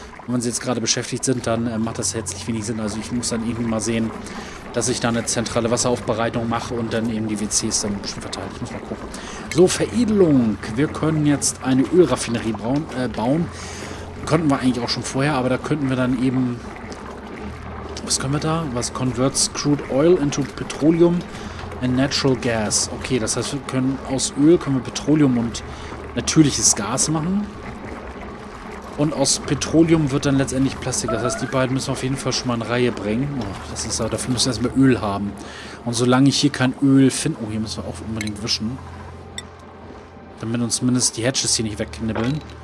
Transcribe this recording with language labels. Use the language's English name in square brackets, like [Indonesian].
[German] Und wenn sie jetzt gerade beschäftigt sind, dann macht das jetzt nicht wenig Sinn. Also ich muss dann irgendwie mal sehen, dass ich da eine zentrale Wasseraufbereitung mache und dann eben die WCs dann schon verteilt. Ich muss mal gucken. So, Veredelung. Wir können jetzt eine Ölraffinerie bauen. Konnten wir eigentlich auch schon vorher, aber da könnten wir dann eben... Was können wir da? [English] Was converts crude oil into petroleum and natural gas? [German] Okay, das heißt, wir können aus Öl können wir Petroleum und natürliches Gas machen. Und aus Petroleum wird dann letztendlich Plastik. Das heißt, die beiden müssen wir auf jeden Fall schon mal in Reihe bringen. Oh, das ist aber, dafür müssen wir erstmal Öl haben. Und solange ich hier kein Öl finde... Oh, hier müssen wir auch unbedingt wischen. Damit uns zumindest die Hatches hier nicht wegknibbeln.